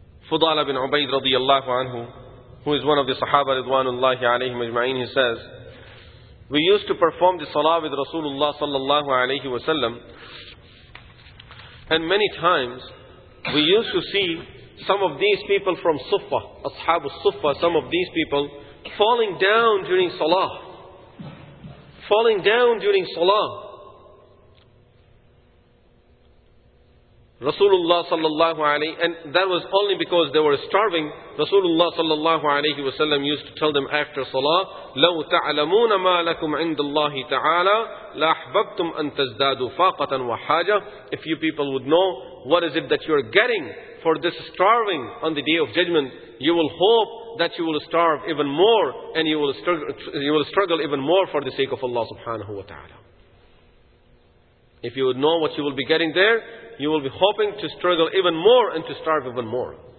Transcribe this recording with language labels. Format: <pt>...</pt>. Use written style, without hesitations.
<en>Fudala bin Ubaid radiyallahu anhu, who is one of the sahaba ridwanullahi alayhi majma'in, he says, we used to perform the salah with Rasulullah sallallahu alayhi wa sallam, and many times we used to see some of these people from Suffa, Ashab al-Suffa, some of these people falling down during Salah. Falling down during Salah. Rasulullah sallallahu alayhi, and that was only because they were starving. Rasulullah sallallahu alayhi wa sallam used to tell them after salah,</en> <ar>لَوْ تَعْلَمُونَ مَا لَكُمْ عِنْدَ اللَّهِ تَعَالَى لَأَحْبَبْتُمْ أَن تَزْدَادُوا فَاقَةً وَحَاجَةً.</ar> <en>If you people would know what is it that you are getting for this starving on the Day of Judgment, you will hope that you will starve even more, and you will struggle even more for the sake of Allah subhanahu wa ta'ala. If you would know what you will be getting there, you will be hoping to struggle even more and to starve even more.</en>